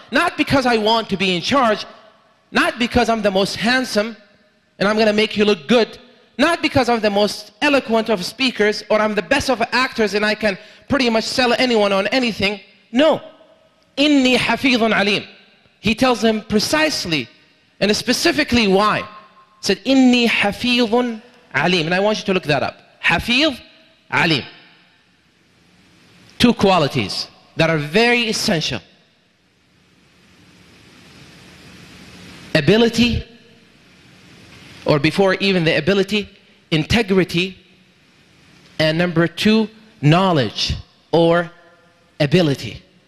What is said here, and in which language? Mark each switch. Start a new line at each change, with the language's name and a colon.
English: Not because I want to be in charge. Not because I'm the most handsome and I'm going to make you look good. Not because I'm the most eloquent of speakers or I'm the best of actors and I can pretty much sell anyone on anything. No.
Arabic: إني حفيظ عليم.
English: He tells him precisely and specifically why. He said,
Arabic: إني حفيظ عليم.
English: And I want you to look that up.
Arabic: حفيظ عليم.
English: Two qualities that are very essential. Ability, or before even the ability, integrity, and number two, knowledge or ability.